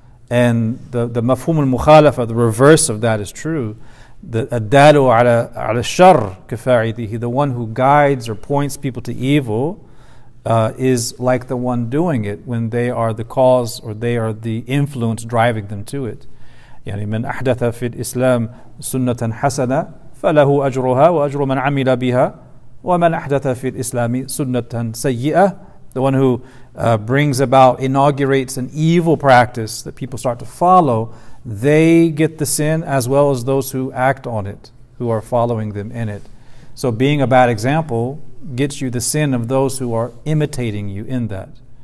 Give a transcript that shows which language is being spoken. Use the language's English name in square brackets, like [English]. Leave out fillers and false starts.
[English] And the mafhum al-mukhalafa, the reverse of that is true. The adalu ala shar kafa'idihi, the one who guides or points people to evil, is like the one doing it when they are the cause or they are the influence driving them to it. [Arabic] يعني من أحدث في الإسلام سنة حسنة فله أجرها وأجر من عمل بها ومن أحدث في الإسلام سنة سيئة. [English] The one who inaugurates an evil practice that people start to follow, they get the sin as well as those who act on it, who are following them in it. So being a bad example gets you the sin of those who are imitating you in that.